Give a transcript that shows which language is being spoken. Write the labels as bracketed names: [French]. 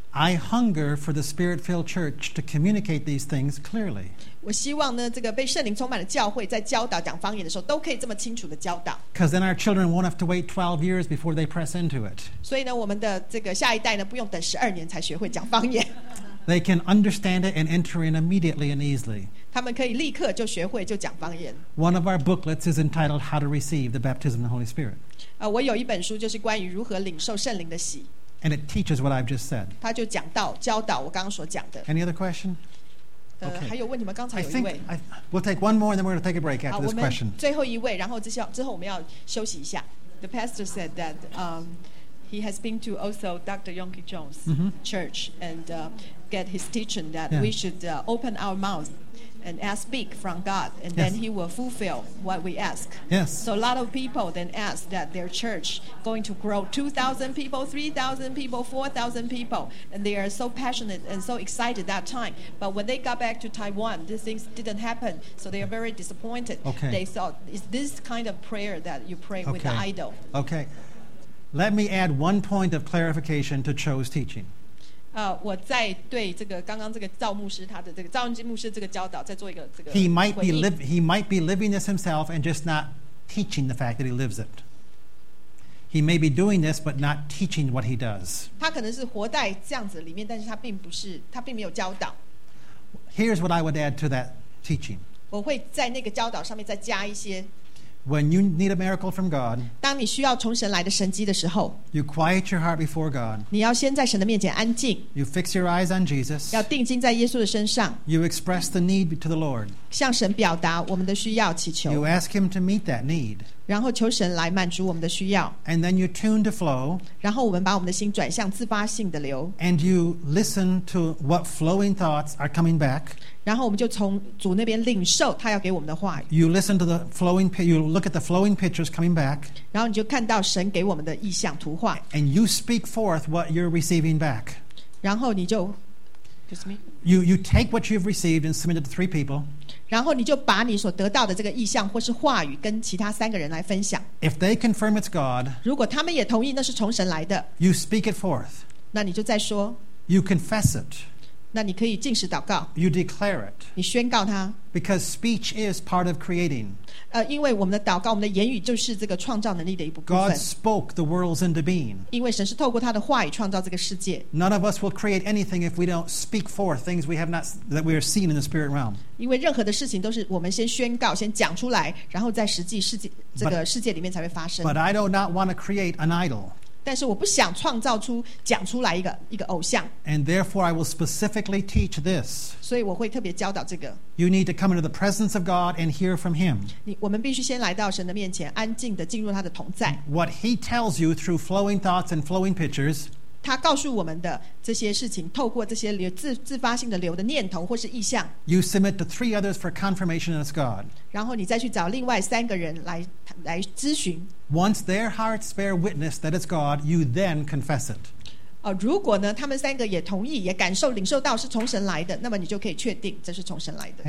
[English] I hunger for the Spirit-filled church to communicate these things clearly. [Chinese] 我希望呢，这个被圣灵充满的教会在教导讲方言的时候，都可以这么清楚的教导。 [English] Because then our children won't have to wait 12 years before they press into it. [Chinese] 所以呢，我们的这个下一代呢，不用等12年才学会讲方言。 [English] They can understand it and enter in immediately and easily. [Chinese] 他们可以立刻就学会就讲方言。 [English] One of our booklets is entitled How to Receive the Baptism of the Holy Spirit. [Chinese] 我有一本书就是关于如何领受圣灵的洗。 [English] And it teaches what I've just said. [Chinese] 他就讲到教导我刚刚所讲的。 [English] Any other question? [Chinese] Okay. 还有问题吗？刚才有一位。 [English] We'll take one more and then we're going to take a break after this question. [Chinese] 最后一位，然后之后我们要休息一下。 [English] The pastor said that he has been to also Dr. Yonke Jones church and get his teaching that we should open our mouth. And ask, speak from God, and then He will fulfill what we ask. Yes. So a lot of people then ask that their church going to grow 2,000 people, 3,000 people, 4,000 people, and they are so passionate and so excited that time. But when they got back to Taiwan, these things didn't happen, so they are very disappointed. Okay. They thought, is this kind of prayer that you pray with the idol? Okay. Let me add one point of clarification to Cho's teaching. [Chinese] 我在对这个刚刚这个赵牧师他的这个赵牧师这个教导在做一个这个回应。 [English] He might be living this himself and just not teaching the fact that he lives it. He may be doing this but not teaching what he does. [Chinese] 他可能是活在这样子里面，但是他并没有教导。 [English] Here's what I would add to that teaching. [Chinese] 我会在那个教导上面再加一些。 [English] When you need a miracle from God, [Chinese] 当你需要从神来的神迹的时候 [English] you quiet your heart before God. [Chinese] 你要先在神的面前安静 [English] you fix your eyes on Jesus. [Chinese] 要定睛在耶稣的身上 [English] you express the need to the Lord. [Chinese] 向神表达我们的需要祈求 [English] you ask Him to meet that need. [Chinese] 然后求神来满足我们的需要 [English] and then you tune to flow. [Chinese] 然后我们把我们的心转向自发性的流 [English] and you listen to what flowing thoughts are coming back. [Chinese] 然后我们就从主那边领受他要给我们的话语。 [English] You listen to the flowing, you look at the flowing pictures coming back. [Chinese] 然后你就看到神给我们的意象图画。 [English] And you speak forth what you're receiving back. [Chinese] 然后你就 [English] You take what you've received and submit it to three people. [Chinese] 然后你就把你所得到的这个意象或是话语跟其他三个人来分享。 [English] If they confirm it's God, [Chinese] 如果他们也同意那是从神来的 [English] you speak it forth. [Chinese] 那你就再说 [English] You confess it. [Chinese] 那你可以禁食祷告。 [English] You declare it. [Chinese] 你宣告它。 [English] Because speech is part of creating. [Chinese] 因为我们的祷告，我们的言语就是这个创造能力的一部分。 [English] God spoke the worlds into being. [Chinese] 因为神是透过他的话语创造这个世界。 [English] None of us will create anything if we don't speak forth things we have not that we are seen in the spirit realm. [Chinese] 因为任何的事情都是我们先宣告，先讲出来，然后在实际世界这个世界里面才会发生。 [English] But I do not want to create an idol. [Chinese] 但是我不想创造出讲出来一个偶像。 [English] And therefore, I will specifically teach this. [Chinese] 所以我会特别教导这个。 [English] You need to come into the presence of God and hear from Him. [Chinese] 我们必须先来到神的面前，安静的进入他的同在。 [English] What He tells you through flowing thoughts and flowing pictures. [Chinese] 他告诉我们的这些事情，透过这些自发性的流的念头或是意象。 [English] You submit to three others for confirmation as God. [Chinese] 然后你再去找另外三个人来咨询。 [English] Once their hearts bear witness that it's God, you then confess it. [Chinese] 如果呢，他们三个也同意，也感受、领受到是从神来的，那么你就可以确定这是从神来的。